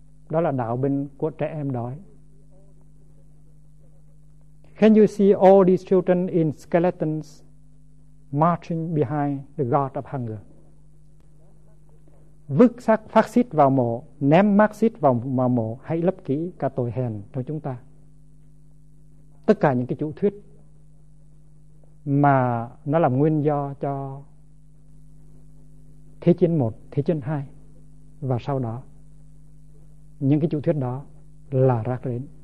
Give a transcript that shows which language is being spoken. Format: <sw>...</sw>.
<vi>Đó là đạo binh của trẻ em đói.</vi> <en>Can you see all these children in skeletons marching behind the god of hunger?</en> <vi>Vứt xác phát xít vào mộ, ném Marxist vào mộ, hãy lấp kỹ cả tội hèn trong chúng ta. Tất cả những cái chủ thuyết mà nó làm nguyên do cho Thế chiến I, Thế chiến II và sau đó, những cái chủ thuyết đó là rác rến.</vi>